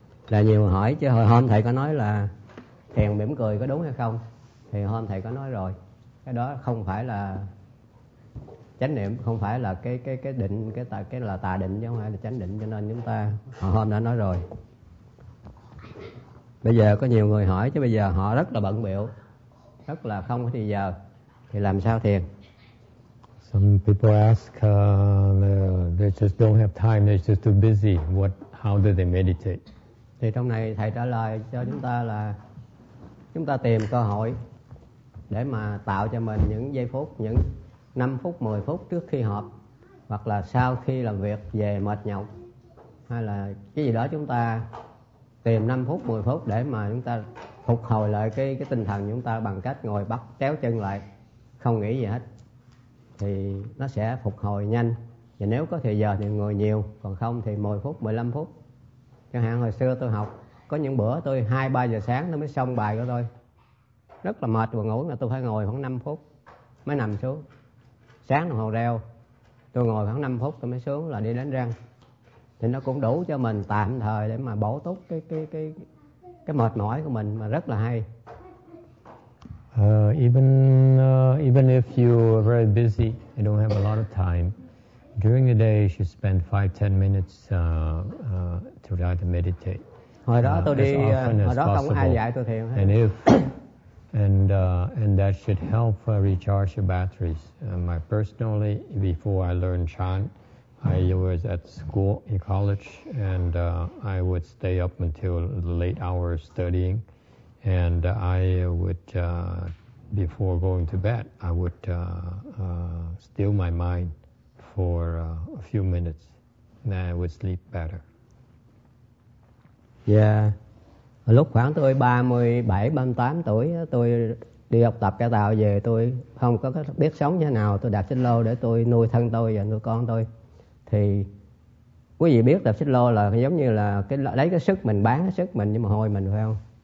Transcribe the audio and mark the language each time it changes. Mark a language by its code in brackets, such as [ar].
[vi] Là nhiều hỏi chứ hồi hôm thầy có nói là thèn mỉm cười có đúng hay không, thì hôm thầy có nói rồi cái đó không phải là chánh niệm, không phải là cái định, cái là tà định chứ không phải là chánh định, cho nên chúng ta hồi hôm đã nói rồi. Bây giờ có nhiều người hỏi chứ bây giờ họ rất là bận biệu, rất là không có thời giờ, thì làm sao thiền? [en] Some people ask they just don't have time, they're just too busy, what how do they meditate? [vi] Thì trong này thầy trả lời cho chúng ta là chúng ta tìm cơ hội để mà tạo cho mình những giây phút, những 5 phút, 10 phút trước khi họp hoặc là sau khi làm việc về mệt nhọc hay là cái gì đó, chúng ta tìm 5 phút, 10 phút để mà chúng ta phục hồi lại cái tinh thần chúng ta bằng cách ngồi bắt chéo chân lại, không nghĩ gì hết, thì nó sẽ phục hồi nhanh. Và nếu có thời giờ thì ngồi nhiều, còn không thì 10 phút, 15 phút. Chẳng hạn hồi xưa tôi học, có những bữa tôi 2-3 giờ sáng nó mới xong bài của tôi. Rất là mệt và ngủ, là tôi phải ngồi khoảng 5 phút mới nằm xuống. Sáng đồng hồ reo, tôi ngồi khoảng 5 phút tôi mới xuống là đi đánh răng. Thì nó cũng đủ cho mình tạm thời để mà bổ túc cái mệt mỏi của mình mà rất là hay. [en] Even if you are very busy and don't have a lot of time, during the day, you should spend 5-10 minutes to try to meditate. [vi] Hồi đó tôi đi, hồi đó không ai dạy tôi thiền. [en] And that should help recharge your batteries. My personally, before I learned chant, I was at school in college, and I would stay up until the late hours studying, and I would before going to bed, I would still my mind for a few minutes, then I would sleep better. Yeah. [vi] Lúc khoảng tôi 37-38 tuổi, tôi đi học tập cải tạo về, tôi không có biết sống như thế nào, tôi đạp xích lô để tôi nuôi thân tôi và nuôi con tôi. Thì quý vị biết đạp xích lô là giống như là lấy cái sức mình bán cái sức mình, nhưng mà hôi mình phải không?